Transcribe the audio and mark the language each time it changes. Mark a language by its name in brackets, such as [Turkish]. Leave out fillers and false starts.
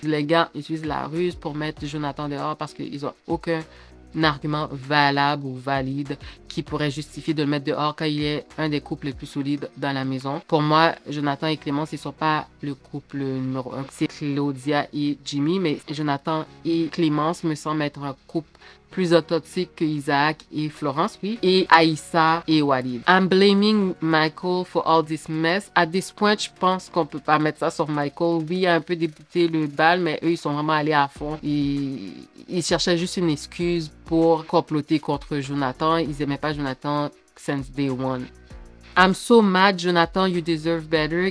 [French] Les gars utilisent la ruse pour mettre Jonathan dehors parce qu'ils n'ont aucun argument valable ou valide qui pourrait justifier de le mettre dehors quand il est un des couples les plus solides dans la maison. Pour moi, Jonathan et Clémence, ils ne sont pas le couple numéro un. C'est Claudia et Jimmy, mais Jonathan et Clémence me semblent être un couple plus authentique que Isaac et Florence, oui, et Aïssa et Walid. [English] I'm blaming Michael for all this mess. At this point, [French] je pense qu'on peut pas mettre ça sur Michael. Oui, il a un peu débuté le bal, mais eux, ils sont vraiment allés à fond. Ils cherchaient juste une excuse pour comploter contre Jonathan. Ils aimaient pas Jonathan. [English] since day one. I'm so mad, Jonathan, you deserve better.